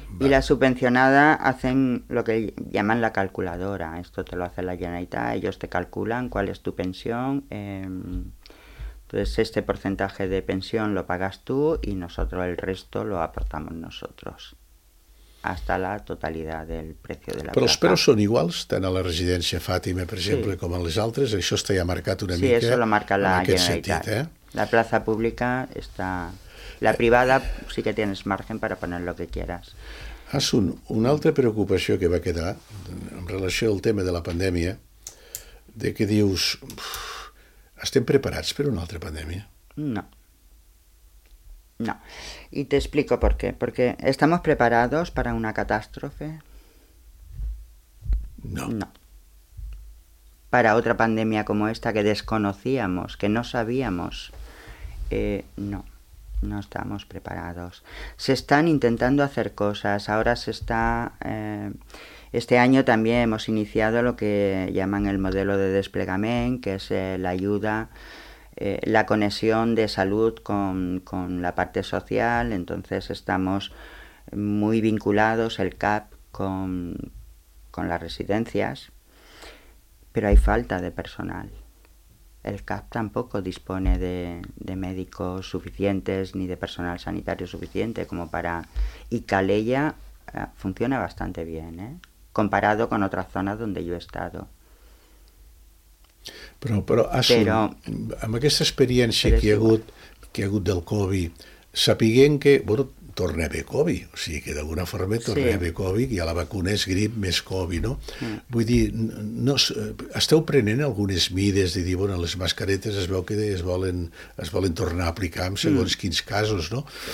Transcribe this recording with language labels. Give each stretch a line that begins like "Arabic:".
Spanish: Va. Y la subvencionada hacen lo que llaman la calculadora. Esto te lo hace la Generalitat. Ellos te calculan cuál es tu pensión. Entonces, este porcentaje de pensión lo pagas tú y nosotros el resto lo aportamos nosotros. Hasta la totalidad del precio de la
Catalan: plaza. Però els preus són iguals, tant a la residència Fàtima, per exemple, sí. com a les altres? Això està ja marcat una sí, mica en aquest sentit. Sí, això lo marca la Generalitat.
Spanish: Sentit, La plaza pública
Catalan: està...
Spanish: La privada sí que tienes margen para poner lo que quieras.
Catalan: Asun, una altra preocupació que va quedar en relació al tema de la pandèmia, de que dius, estem preparats per una altra pandèmia?
Spanish: No. No, y te explico por qué. Porque ¿estamos preparados para una catástrofe? No. No. Para otra pandemia como esta que desconocíamos, que no sabíamos. No estamos preparados. Se están intentando hacer cosas. Ahora se está... Este año también hemos iniciado lo que llaman el modelo de desplegamiento, que es la ayuda... la conexión de salud con la parte social. Entonces estamos muy vinculados, el CAP, con las residencias, pero hay falta de personal. El CAP tampoco dispone de médicos suficientes ni de personal sanitario suficiente como para... Y Calella funciona bastante bien, comparado con otras zonas donde yo he estado.
Catalan: Però, amb aquesta experiència que hi ha hagut del Covid, sapiguent que, bueno, torna a haver Covid, o sigui que d'alguna forma torna a haver Covid, i a la vacuna és grip més Covid, no? Vull dir, no, esteu prenent algunes mides de dir, bueno, les mascaretes es veu que es volen tornar a aplicar en segons quins casos, no?